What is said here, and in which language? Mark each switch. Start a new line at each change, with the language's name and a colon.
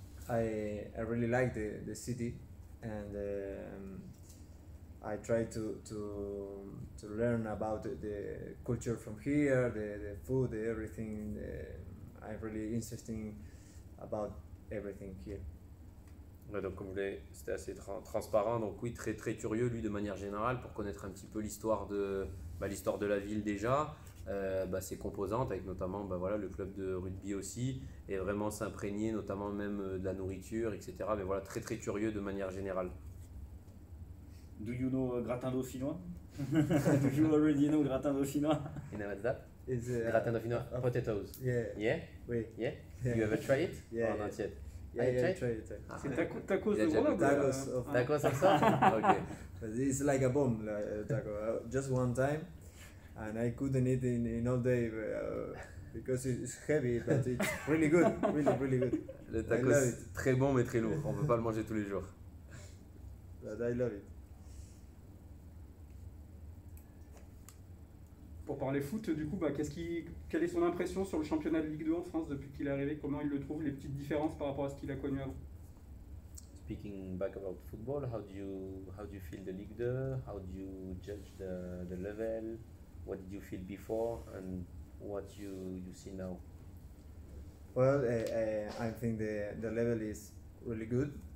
English: I really like the city, and I try to learn about the culture from here, the food, the everything. I'm really interested about everything here.
French: Ouais, donc comme vous l'avez, c'était assez transparent, donc oui, très très curieux lui de manière générale pour connaître un petit peu l'histoire de la ville déjà, ses composantes avec notamment le club de rugby aussi, et vraiment s'imprégner notamment même de la nourriture, etc. Mais voilà, très très curieux de manière générale.
English: Do you know gratin dauphinois? Do you already know gratin dauphinois? You know what's that? Gratin dauphinois, potatoes. Yeah.
French: Oui.
English: Yeah? You ever try it? Yeah. Or not yet? Yeah, try it. Tacos de Grenoble. Tacos of course. Okay. It's like a bomb, like a taco. Just one time, and I couldn't eat in all day because it's heavy, but it's really good, really really good.
French: Le taco est très bon mais très lourd. On peut pas le manger tous les jours.
English: But I love it.
French: Pour parler foot, du coup, quelle est son impression sur le championnat de Ligue 2 en France depuis qu'il est arrivé? Comment il le trouve? Les petites différences par rapport à ce qu'il a connu avant?
English: Speaking back about football, how do you feel the Ligue 2? How do you judge the level? What did you feel before and what you see now? Well, I think the level is really good.